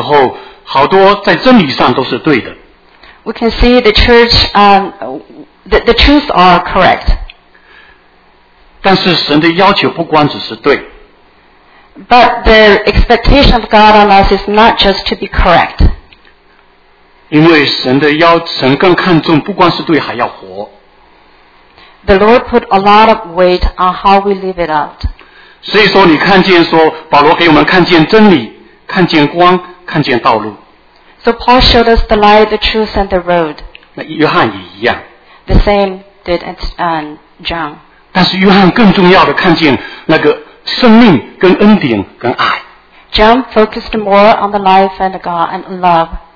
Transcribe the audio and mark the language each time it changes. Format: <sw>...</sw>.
<zh>就看见说教会在那个时候，好多在真理上都是对的。</zh> <en>We can see the church, the truths are correct.</en> <zh>但是神的要求不光只是对。</zh> <en>But the expectation of God on us is not just to be correct.</en> <zh>因为神更看重不光是对，还要活。</zh> <en>The Lord put a lot of weight on how we live it out.</en> <zh>所以说你看见说，保罗给我们看见真理，看见光，看见道路。</zh> <en>So Paul showed us the light, the truth, and the road.</en> <zh>那约翰也一样。</zh> <en>The same did as John.</en> <zh>但是约翰更重要的看见那个生命跟恩典跟爱。</zh> <en>John focused more on the life and God and love.</en>